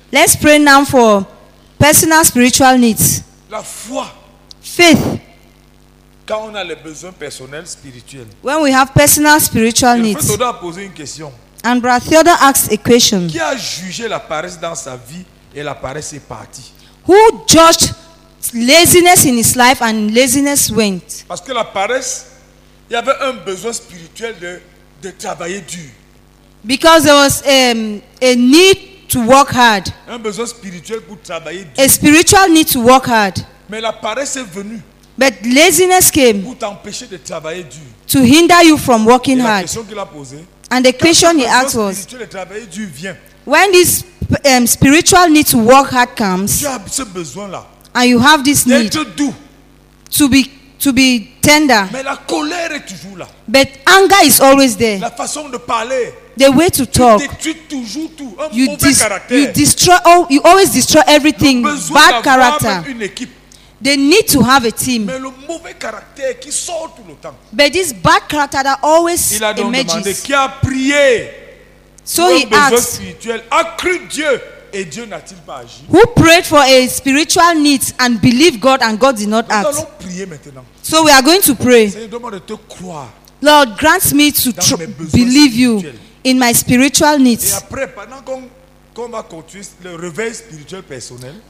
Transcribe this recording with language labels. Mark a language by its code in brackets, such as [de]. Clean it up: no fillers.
[en] Let's pray now for personal spiritual needs. [fr] La foi. [en] Faith. [fr] Quand on a les besoins personnels spirituels. [en] When we have personal spiritual needs. [fr] Frère Théodore a posé une question. [en] And Brother Theodore asks a question. [fr] Qui a jugé la paresse dans sa vie et la paresse est partie? [en] Who judged laziness in his life and laziness went? [fr] Parce que la paresse, il y avait un besoin spirituel de travailler dur. [en] Because there was a need to work hard. [fr] Un besoin spirituel pour travailler dur. [en] A spiritual need to work hard. [fr] Mais la paresse est venue. [en] But laziness came. [fr] Pour t'empêcher de travailler dur. [en] To hinder you from working [fr] et la [en] hard. [fr] Question qu'il a posée, [en] and the question he asked was, [fr] spirituel et travailler dur vient, [en] when this spiritual need to work hard comes, [fr] tu as ce besoin là, [en] and you have this need to be tender, [fr] mais la colère est toujours là. [en] But anger is always there. [fr] La façon de parler, [en] the way to talk, you always destroy everything. Bad character. They need to have a team. [fr] Mais le mauvais caractère qui sort tout le temps. [en] But this bad character that always emerges. [fr] Il a donc demandé qui a prié. [en] So he asked, [fr] a cru Dieu et Dieu n'a-t-il pas agi? [en] Who prayed for a spiritual need and believed God and God did not act? [fr] Nous allons prier maintenant. [en] So we are going to pray. [fr] Seigneur, demande de te croire. [en] Lord, grant me to believe you in my spiritual needs. [fr] Et après, pendant qu'on va continuer le réveil spirituel personnel,